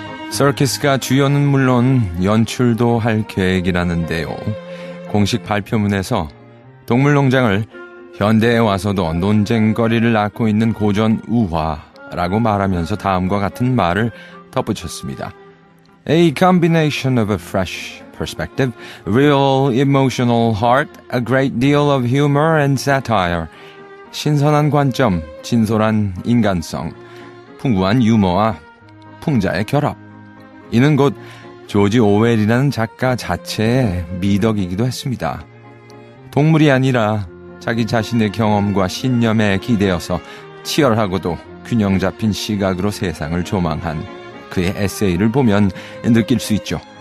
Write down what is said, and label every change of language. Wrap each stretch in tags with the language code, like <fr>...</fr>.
<ko>서키스가 주연은 물론 연출도 할 계획이라는데요. 공식 발표문에서 동물농장을 현대에 와서도 논쟁거리를 낳고 있는 고전 우화라고 말하면서 다음과 같은 말을 덧붙였습니다.</ko> <en>A combination of a fresh perspective, real emotional heart, a great deal of humor and satire.</en> <ko>신선한 관점, 진솔한 인간성, 풍부한 유머와 풍자의 결합. 이는 곧 조지 오웰이라는 작가 자체의 미덕이기도 했습니다. 동물이 아니라 자기 자신의 경험과 신념에 기대어서 치열하고도 균형 잡힌 시각으로 세상을 조망한 그의 에세이를 보면 느낄 수 있죠.</ko>